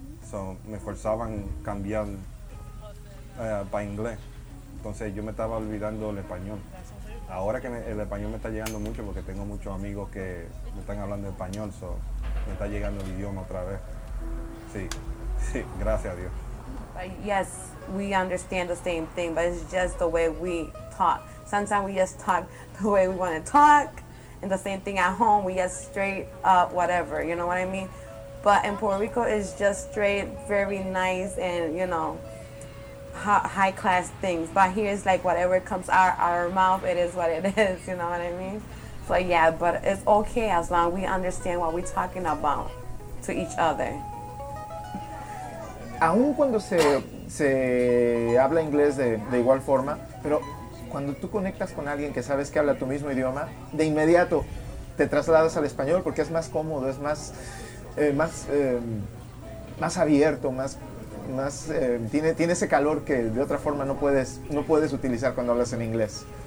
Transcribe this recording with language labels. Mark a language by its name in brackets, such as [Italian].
[Spanish] So, me forzaban a cambiar para inglés. Entonces yo me estaba olvidando el español. Ahora que el español me está llegando mucho, porque tengo muchos amigos que me están hablando español, so, me está llegando el idioma otra vez. Sí, sí, gracias a Dios. [English] Yes, we understand the same thing, but it's just the way we talk. Sometimes we just talk the way we want to talk, and the same thing at home, we just straight up whatever, you know what I mean? But in Puerto Rico, it's just straight, very nice, and you know, high class things. But here it's like whatever comes out our mouth, it is what it is, you know what I mean? So yeah, but it's okay as long as we understand what we're talking about to each other. [Spanish] Aun cuando se habla inglés de igual forma, pero cuando tú conectas con alguien que sabes que habla tu mismo idioma, de inmediato te trasladas al español porque es más cómodo, es más más abierto, tiene ese calor que de otra forma no puedes utilizar cuando hablas en inglés.